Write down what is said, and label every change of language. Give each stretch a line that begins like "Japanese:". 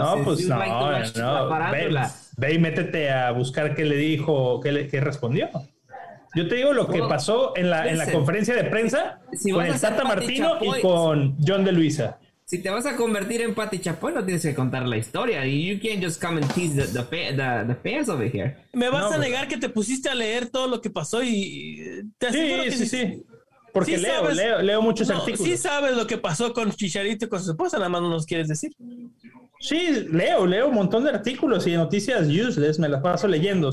Spanish: No, pues no, no. Ve y métete a buscar qué le dijo, qué respondió. Yo te digo lo que pasó en la conferencia de prensa con el Tata Martino y con John de Luisa. Si te vas a convertir en Pati Chapoy, no tienes que contar la historia.
English: You can't just come and tease the fans over here.
Spanish: ¿Me vas a negar que te pusiste a leer todo lo que pasó y te aseguro sí. Porque sí leo muchos artículos. Sí sabes lo que pasó con Chicharito y con su esposa, nada más no nos quieres decir. Sí, leo un montón de artículos y noticias useless, me las paso leyendo.